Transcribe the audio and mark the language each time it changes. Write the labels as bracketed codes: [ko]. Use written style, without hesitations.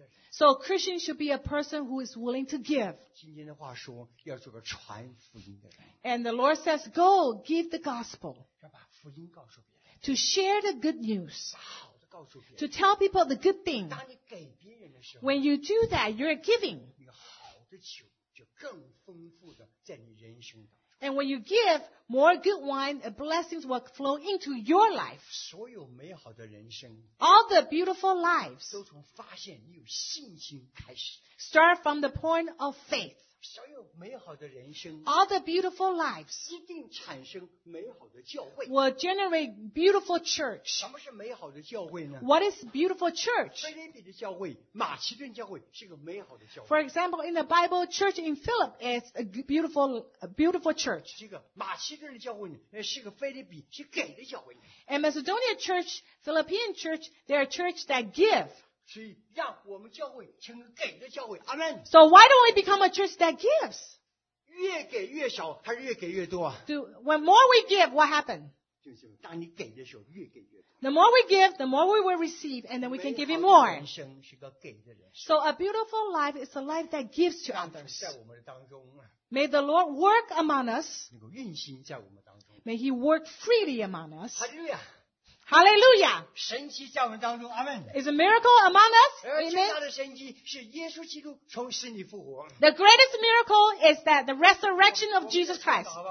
[en] So Christians should be a person who is willing to give. [zh] 今天的话说，要做个传福音的人。 [en] And the Lord says, go, give the gospel. [zh] 要把福音告诉别人。 [en] To share the good news. [zh] 把好的告诉别人。 [en] To tell people the good thing. [zh] 当你给别人的时候， [en] When you do that, you're giving. [zh] 你好的酒就更丰富的在你人生当中。 [en] And when you give, more good wine and blessings will flow into your life. [zh] 所有美好的人生, [en] all the beautiful lives, [zh] 都从发现你有信心开始, [en] start from the point of faith. [zh] 所有美好的人生, [en] all the beautiful lives, [zh] 一定产生美好的教会, [en] will generate beautiful church. [zh] 什么是美好的教会呢? [en] What is beautiful church? [zh] 菲利比的教会, 马其顿教会是个美好的教会。 [en] For example, in the Bible, church in Philip is a beautiful church. [zh] 这个马其顿的教会呢, 是个菲利比, 是给的教会。 [en] And Macedonia church, Philippian church, they are church that give. [zh] 所以让我们教会成为给的教会 Amen. [en] So why don't we become a church that gives? [zh] 越给越少还是越给越多、啊、 [en] When more we give, what happens? [zh] 就是当你给的时候越给越多 [en] The more we give, the more we will receive and then we can give you more. [zh] 美好的人生是个给的人生 [en] So a beautiful life is a life that gives to others. [zh] 在我们当中、啊、 [en] May the Lord work among us. [zh] 能够运行在我们当中 [en] May he work freely among us. Hallelujah. Hallelujah! [zh] 神迹在我们当中 ，Amen. [en] Is a miracle among us? Amen. [zh] 最大的神迹是耶稣基督从死里复活。 [en] The greatest miracle is that the resurrection of Jesus Christ.